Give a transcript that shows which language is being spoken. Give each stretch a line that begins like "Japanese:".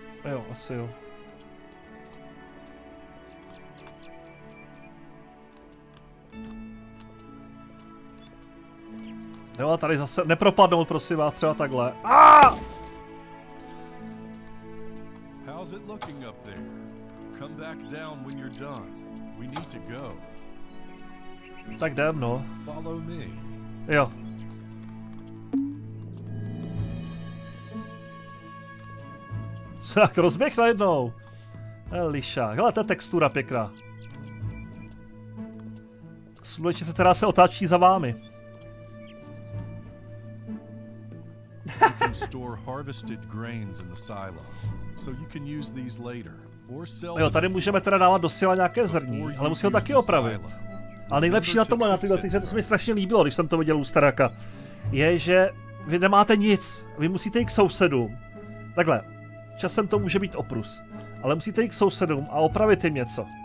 Czech: Jo, asi jo. Jo, tady zase nepropadnout, prosím vás, třeba takhle.
English: How's it looking up there? Come back down when you're done. We need to go.
Czech: Tak jdem, no.
English: Follow me.
Czech: Jo. Tak rozběh najednou. Eliša. Hele, ta textura pěkná. Slunečnice se teda se otáčí za vámi.
English: Store harvested grains in the silo, so you can use these later or sell.
Czech: Jo, tady můžeme teda dávat do sila nějaké zrní, ale musí ho taky opravit. A nejlepší na tomhle, na tyhle ty, to se mi strašně líbilo, když jsem to viděl u staráka, je, že vy nemáte nic, vy musíte jít k sousedům. Takhle, časem to může být oprus, ale musíte jít k sousedům a opravit jim něco.